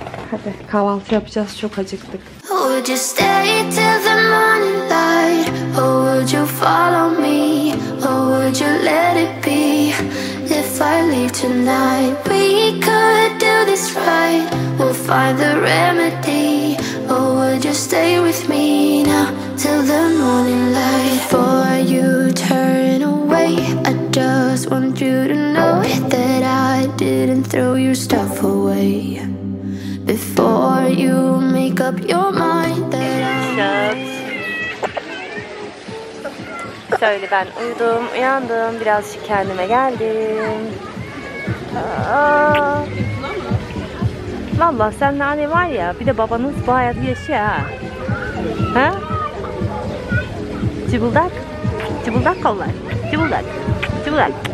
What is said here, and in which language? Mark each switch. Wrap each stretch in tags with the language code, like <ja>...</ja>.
<tr>Hadi kahvaltı yapacağız, çok acıktık.</tr> <en>Would you stay till the morning light? Or would you follow me? Or would you let it be? If I leave tonight, we could do this right. We'll find the remedy. Or would you stay with me now till the morning light? Before you turn away, I just want you to know that I didn't throw your stuff away. Before you make up your mind that I'm...</en> <tr>Şöyle ben uyudum, uyandım, birazcık kendime geldim. Valla senin anne var ya, bir de babanız bayağı yaşıyor ha. Ha? Cıbıldak. Cıbıldak kollar. Cıbıldak. Cıbıldak.</tr>